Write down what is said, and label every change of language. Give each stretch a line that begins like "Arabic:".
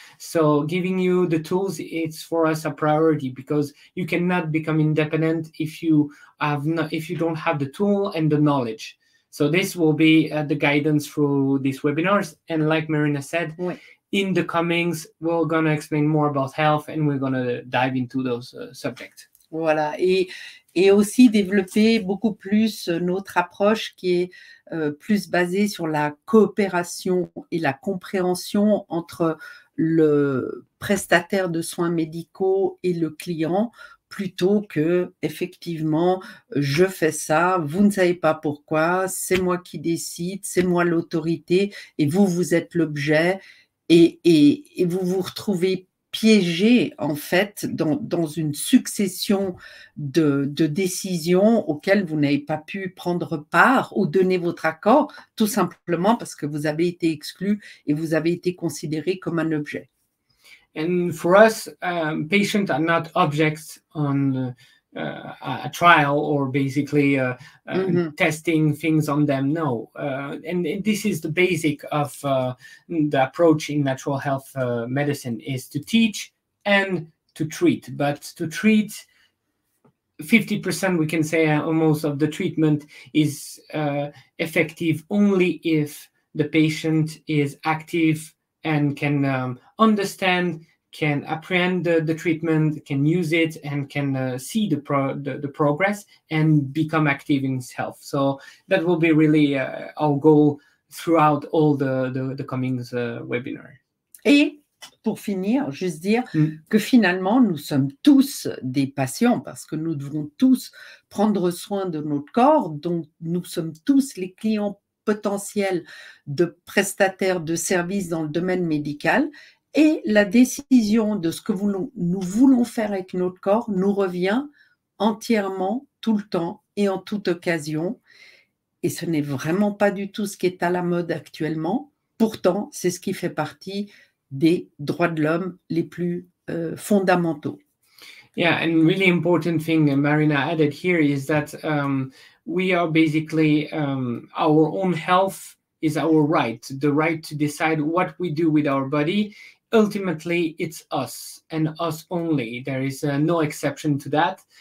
English: So giving you the tools, it's for us a priority, because you cannot become independent if you don't have the tool and the knowledge. So this will be the guidance through these webinars. And like Marina said, oui. In the comings, we're going to explain more about health and we're going to dive into those subjects.
French: Voilà. Et aussi développer beaucoup plus notre approche qui est plus basée sur la coopération et la compréhension entre le prestataire de soins médicaux et le client, plutôt que effectivement je fais ça, vous ne savez pas pourquoi, c'est moi qui décide, c'est moi l'autorité et vous êtes l'objet et vous vous retrouvez piégé en fait dans une succession de décisions auxquelles vous n'avez pas pu prendre part ou donner votre accord, tout simplement parce que vous avez été exclu et vous avez été considéré comme un objet.
English: And for us, patients are not objects on a trial or basically mm-hmm. testing things on them. No. And this is the basic of the approach in natural health medicine, is to teach and to treat. But to treat, 50%, we can say almost, of the treatment is effective only if the patient is active and can understand, can apprehend the treatment, can use it, and can see the progress and become active in his health. So that will be really our goal throughout all the coming webinar.
French: Et pour finir, juste dire que finalement, nous sommes tous des patients parce que nous devons tous prendre soin de notre corps. Donc, nous sommes tous les clients potentiels de prestataires de services dans le domaine médical. Et la décision de ce que nous voulons faire avec notre corps nous revient entièrement, tout le temps et en toute occasion. Et ce n'est vraiment pas du tout ce qui est à la mode actuellement. Pourtant, c'est ce qui fait partie des droits de l'homme les plus fondamentaux.
English: Yeah, and really important thing Marina added here is that we are basically our own health is our right, the right to decide what we do with our body. Ultimately, it's us and us only. There is no exception to that.